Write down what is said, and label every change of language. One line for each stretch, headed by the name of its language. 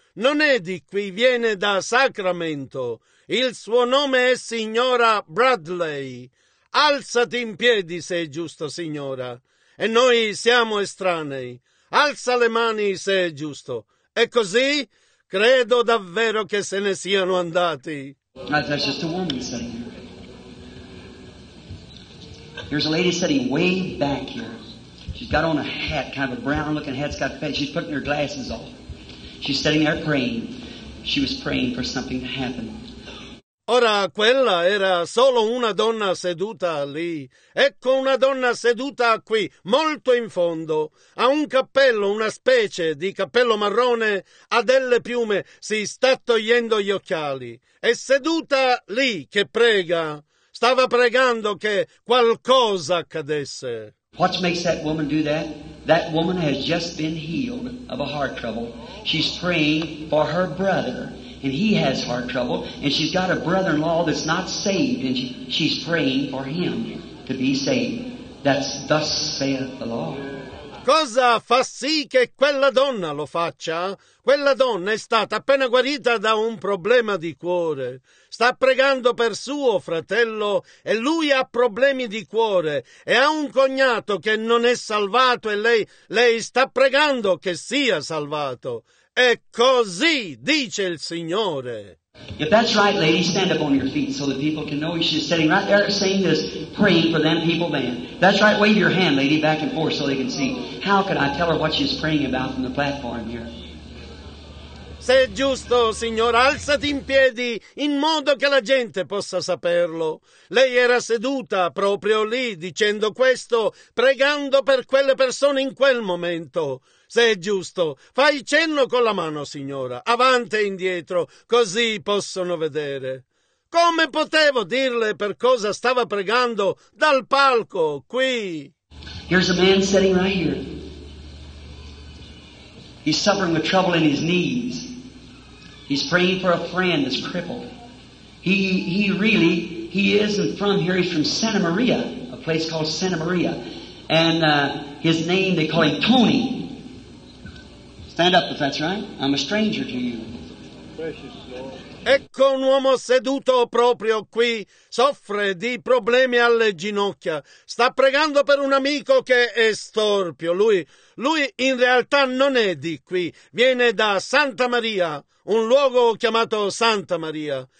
Italian: Non è di qui, viene da Sacramento. Il suo nome è signora Bradley. Alzati in piedi se è giusto, signora. E noi siamo estranei. Alza le mani se è giusto. E così? Credo davvero che se ne siano andati.
English: That's just a woman sitting here. There's a lady sitting way back here. She's got on a hat, kind of a brown looking hat. She's putting her glasses off. She's sitting there praying. She was praying for something to happen.
Italian: Ora, quella era solo una donna seduta lì. Ecco una donna seduta qui, molto in fondo. Ha un cappello, una specie di cappello marrone, ha delle piume, si sta togliendo gli occhiali. È seduta lì che prega. Stava pregando che qualcosa accadesse.
English: What makes that woman do that? That woman has just been healed of a heart trouble. She's praying for her brother. And he has heart trouble, and she's got a brother-in-law that's not saved, and she's praying for him to be saved. That's thus saith the Lord.
Italian: Cosa fa sì che quella donna lo faccia? Quella donna è stata appena guarita da un problema di cuore. Sta pregando per suo fratello e lui ha problemi di cuore e ha un cognato che non è salvato e lei sta pregando che sia salvato. E così dice il Signore.
English: If that's right, lady, stand up on your feet so that people can know she's sitting right there saying this, praying for them people, man. That's right, wave your hand, lady, back and forth so they can see. How can I tell her what she's praying about from the platform here?
Italian: Se è giusto, signora, alzati in piedi in modo che la gente possa saperlo. Lei era seduta proprio lì dicendo questo, pregando per quelle persone in quel momento. Se è giusto, fai cenno con la mano, signora, avanti e indietro, così possono vedere. Come potevo dirle per cosa stava pregando dal palco, qui?
English: Here's a man sitting right here. He's suffering with trouble in his knees. He's praying for a friend that's crippled. He isn't from here. He's from Santa Maria, a place called Santa Maria. And his name, they call him Tony. Stand up if that's right. I'm a stranger to you.
Italian: Ecco un uomo seduto proprio qui. Soffre di problemi alle ginocchia. Sta pregando per un amico che è storpio. Lui in realtà non è di qui. Viene da Santa Maria, un luogo chiamato Santa Maria.